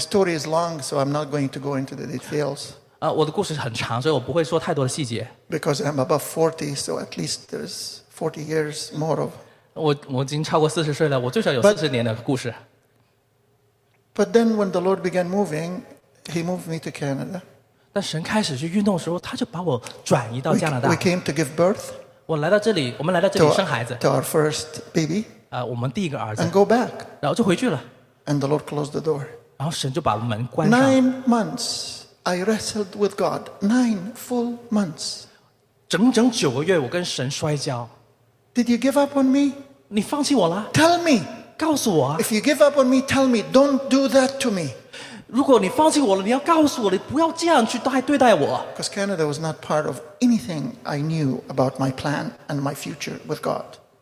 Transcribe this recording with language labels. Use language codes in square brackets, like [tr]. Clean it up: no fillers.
[en] story is long, so I'm not going to go into the details. [zh] 我的故事很长，所以我不会说太多的细节。 [en] Because I'm above 40, so at least there's 40 years more of. [zh] 我已经超过40岁了，我最少有40年的故事。 [en] But then when the Lord began moving, He moved me to Canada. [zh] 但神开始去运动的时候，他就把我转移到加拿大。 [en] We came to give birth. [zh] 我们来到这里生孩子。 [en] To our first baby. [zh] 我们第一个儿子。 [en] And go back. [zh] 然后就回去了。 [en] And the Lord closed the door. [zh] 然后神就把门关上。 [en] 9 months I wrestled with God. 9 full months. [zh] 整整9个月我跟神摔跤。 [en] Did you give up on me? [zh] 你放弃我了? [en] Tell me. [zh] 告诉我。 [en] If you give up on me, tell me. Don't do that to me. [zh] 如果你放弃我了，你要告诉我，你不要这样去对待我。 [en] Because Canada was not part of anything I knew about my plan and my future with God.